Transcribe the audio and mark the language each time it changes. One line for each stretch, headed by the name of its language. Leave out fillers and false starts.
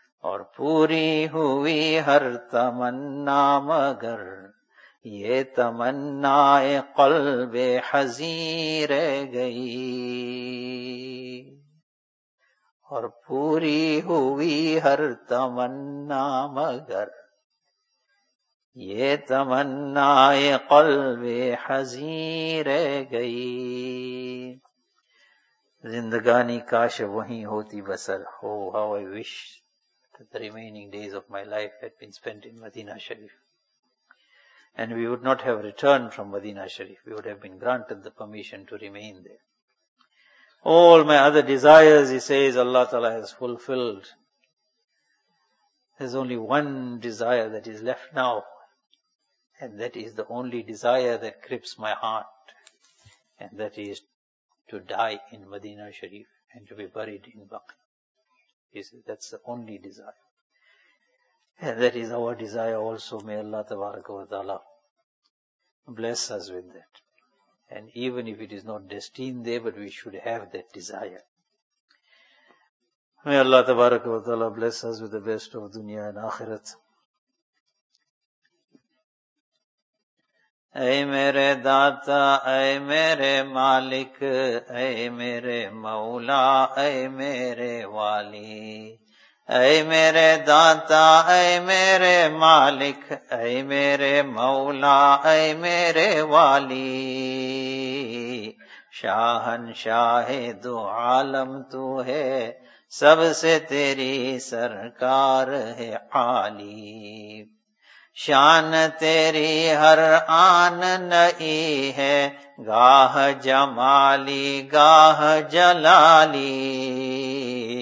Urdu: اور پوری ہوئی ہر تمنا مگر یہ تمنا قلب حزین رہ گئی. اور پوری ہوئی ہر تمنا مگر یہ تمنا قلب حزین رہ گئی. زندگانی کاش وہیں ہوتی بسر.
English: How I wish that the remaining days of my life had been spent in Madina Sharif. And we would not have returned from Madina Sharif. We would have been granted the permission to remain there. All my other desires, he says, Allah Ta'ala has fulfilled. There's only one desire that is left now. And that is the only desire that grips my heart. And that is to die in Madina Sharif and to be buried in Baqi. He says, that's the only desire. And that is our desire also. May Allah Tabaraka wa Ta'ala bless us with that. And even if it is not destined there, but we should have that desire. May Allah Tabaraka wa Ta'ala bless us with the best of dunya and akhirat.
Urdu: اے میرے داتا, اے میرے مالک, اے میرے مولا, اے میرے والی. اے میرے داتا, اے میرے مالک, اے میرے مولا, اے میرے والی. شاہنشاہ دو عالم تو ہے, سب سے تیری سرکار ہے عالی. شان تیری ہر آن نئی ہے, گاہ جمالی گاہ جلالی.